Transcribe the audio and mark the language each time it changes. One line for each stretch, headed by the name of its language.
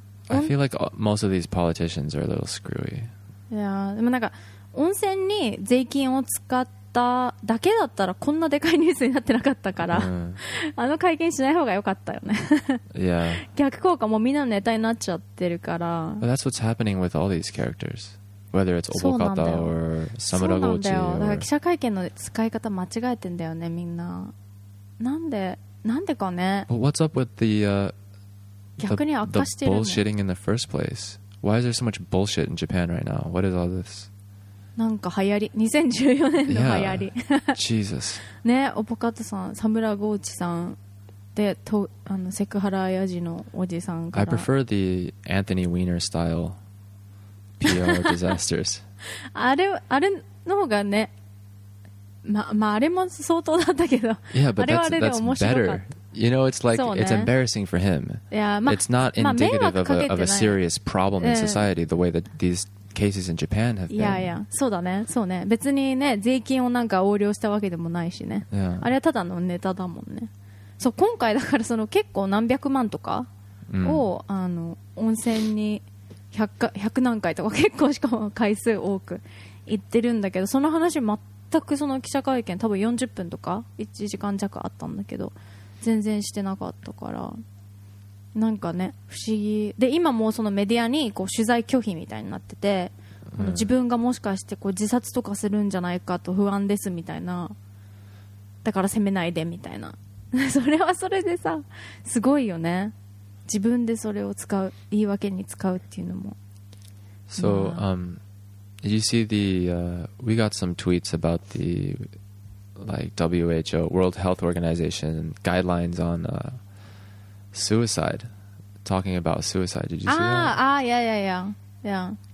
English: I feel like most of these politicians are a little screwy。
Japanese: いやー、でもなんか温泉に税金を使っただけだったらこんなでかいニュースになってなかったから、あの会見しない方が良かったよね。
English: <Yeah.
Japanese: S 1> 逆効果、もうみんなネタになっちゃってるから。
English: But that's what's happening with all these characters, whether it's Obokata or Samuragochi or...
Japanese: だから記者会見の使い方間違えてんだよね、みんな。なんでかね。
English: But what's up with the bullshitting in the first place? Why is there so much bullshit in Japan right now? What is all this?
Japanese: なんか流行り、2014年の流行り、
English: Jesus、
Japanese: ね、オポカトさん、サムラゴーチさんで、とセクハラヤジのおじさんから。
English: I prefer the Anthony Weiner style PR disasters.
Japanese: あれの方がね、まあれも相当だったけど、
English: yeah, but
Japanese: あれはあれで面白かった。
English: Better. You know, it's like、
Japanese: ね、
English: it's embarrassing for him. Yeah, it's not indicative of a serious problem in society the way that theseCases in Japan have been. Yeah, yeah.
Japanese: そうだね、そうね。別にね、税金をなんか横領したわけでもないしね。
English: Yeah.
Japanese: あれはただのネタだもんね。そう、今回だからその結構何百万とかを、温泉に100何回とか、結構しかも回数多く行ってるんだけど、その話全く、その記者会見多分40分とか1時間弱あったんだけど、全然してなかったから。なんかね、不思議で、今もそのメディアにこう取材拒否みたいになってて、自分がもしかしてこう自殺とかするんじゃないかと不安ですみたいな、だから責めないでみたいな。それはそれでさ、すごいよね、自分でそれを使う、言い訳に使うっていうのも。
English: So、did you see we got some tweets about the like WHO, World Health Organization guidelines on suicide, talking about suicide. Did you see that? Yeah.